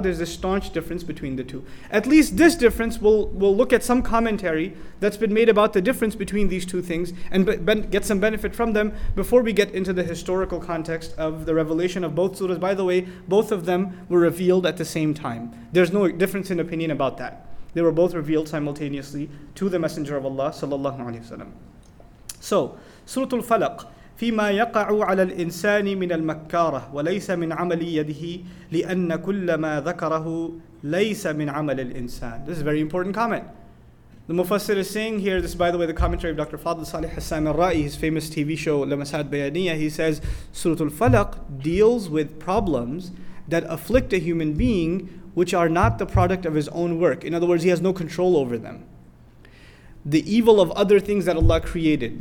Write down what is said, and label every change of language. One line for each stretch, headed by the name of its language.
English: There's a staunch difference between the two. At least this difference, we'll look at some commentary that's been made about the difference between these two things and get some benefit from them before we get into the historical context of the revelation of both surahs. By the way, both of them were revealed at the same time. There's no difference in opinion about that. They were both revealed simultaneously to the Messenger of Allah sallallahu alayhi wa sallam. So, Surah Al-Falaq.
Arabic: فيما يقع على الإنسان من المكارة وليس من عمل يده لأن كل ما ذكره ليس من عمل الإنسان.
English: This is a very important comment. The Mufassir is saying here, this is by the way the commentary of Dr. Fadl Salih Hassan al-Ra'i, his famous TV show Lamasat Bayaniya, he says, Surah Al-Falaq deals with problems that afflict a human being which are not the product of his own work. In other words, he has no control over them. The evil of other things that Allah created.